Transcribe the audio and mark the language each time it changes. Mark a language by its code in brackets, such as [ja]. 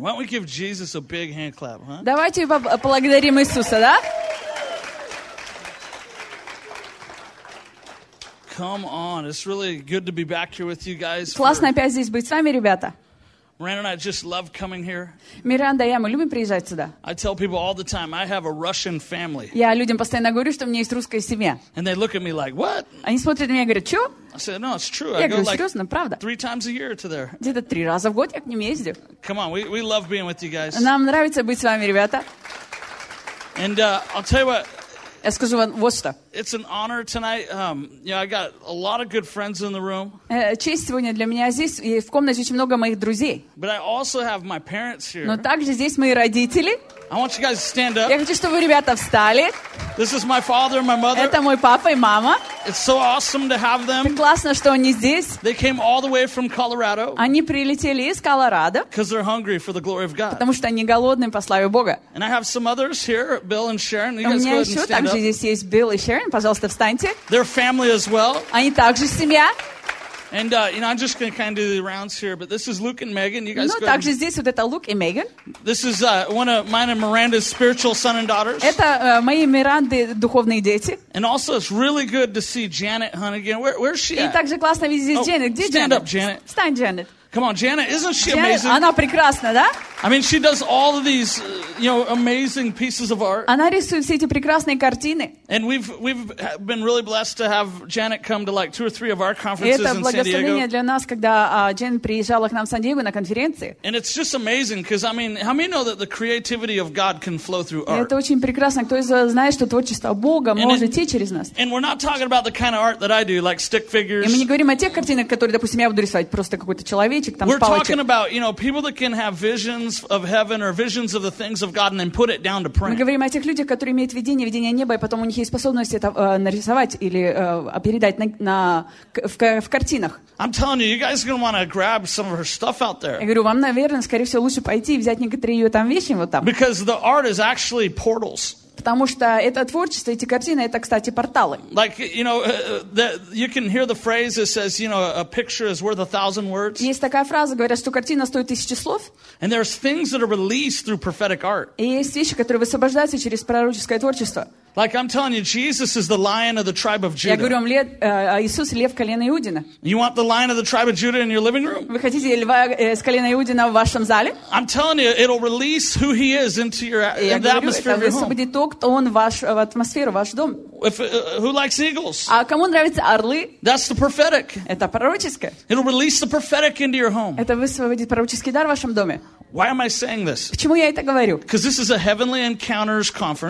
[en] Why don't we give Jesus a big hand clap, huh? [ru] Давайте поблагодарим Иисуса, да? [en] Come on, it's really good to be back here with you guys. [ru] Классно опять здесь быть с вами, ребята. [en] Miranda and I just love coming here. [ru] Миранда и я, мы любим приезжать сюда. [en] I tell people all the time, I have a Russian family. [ru] Я людям постоянно говорю, что у меня есть русская семья. [en] And they look at me like, what? [ru] Они смотрят на меня и говорят, что? [en] I said, no, it's true. [ru] Я говорю, серьезно, правда? [en] Three times a year to there. [ru] Где-то три раза в год я к ним ездил. [en] Come on, we love being with you guys. [ru] Нам нравится быть с вами, ребята. [en] And I'll tell you what. [ru] Я скажу вам вот что. [en] It's an honor tonight. You know, I got a lot of good friends in the room. [ru] Честь сегодня для меня здесь, и в комнате очень много моих друзей. [en] But I also have my parents here. [ru] Но также здесь мои родители. [en] I want you guys to stand up. [ru] Я хочу, чтобы ребята встали. [en] This is my father and my mother. [ru] Это мой папа и мама. [en] It's so awesome to have them. [ru] Так классно, что они здесь. [en] They came all the way from Colorado. [ru] Они прилетели из Колорадо. [en] Because they're hungry for the glory of God. [ru] Потому что они голодны по славе Бога. [en] And I have some others here, Bill and Sharon. You guys go ahead and stand up. [ru] У меня еще также здесь есть Билл и Шерон. Пожалуйста, встаньте. [en] They're family as well. [ru] Они также семья. [en] And you know, I'm just going to kind of do the rounds here, but this is Luke and Megan. You guys. [ru] Ну, также здесь вот это Лук и Меган. [en] This is one of mine and Miranda's spiritual son and daughters. [ru] Это мои Миранды духовные дети. [en] And also, it's really good to see Janet Hunnigan. Where's she at? [ru] И также классно видеть здесь Janet. Где Janet? [en] Stand up, Janet. [ru] Встань, Janet. [en] Come on, Janet, isn't she amazing? [ru] Она прекрасна, да? [en] I mean, she does all of these, you know, amazing pieces of art. [ru] Она рисует все эти прекрасные картины. [en] And we've been really blessed to have Janet come to like two or three of our conferences in San Diego. [ru] Это благословение для нас, когда Джен приезжала к нам в Сан-Диего на конференции. [en] And it's just amazing because I mean, how many know that the creativity of God can flow through art? [ru] Это очень прекрасно. Кто из вас знает, что творчество Бога может идти через нас? [en] And we're not talking about the kind of art that I do, like stick figures. [ru] И мы не говорим о тех картинах, которые, допустим, я буду рисовать, просто какой-то человечек там с палочкой. [en] We're talking about, you know, people that can have vision of heaven or visions of the things of God and then put it down to print. [ru] Мы говорим о тех людях, которые имеют видение, видение неба, и потом у них есть способность это нарисовать или передать в картинах. [en] I'm telling you, you guys are going to want to grab some of her stuff out there. [ru] Я говорю, вам, наверное, скорее всего, лучше пойти и взять некоторые ее там вещи вот там. [en] Because the art is actually portals. [ru] Потому что это творчество, эти картины, это, кстати, порталы. [en] Like, you know, you can hear the phrase that says, you know, a picture is worth 1,000 words. [ru] Есть такая фраза, говорят, что картина стоит 1,000 слов. [en] And there's things that are released through prophetic art. [ru] И есть вещи, которые высвобождаются через пророческое творчество. [en] Like I'm telling you, Jesus is the lion of the tribe of Judah. [ru] Я говорю вам, Иисус лев колена Иудина. [en] You want the lion of the tribe of Judah in your living room? [ru] Вы хотите льва с колена Иудина в вашем зале? [en] I'm telling you, it'll release who he is into your the atmosphere of your home. [ru] Я говорю, это высвободит то, кто он в атмосферу, ваш дом. [en] Who likes eagles? [ru] А кому нравятся орлы? [en] That's the prophetic. [ru] Это пророческое. [en] It'll release the prophetic into your home. [ru] Это высвободит пророческий дар в вашем доме. [en] Why am I saying this? [ru] Почему я это говорю? [en] Because this is a heavenly encounters conference.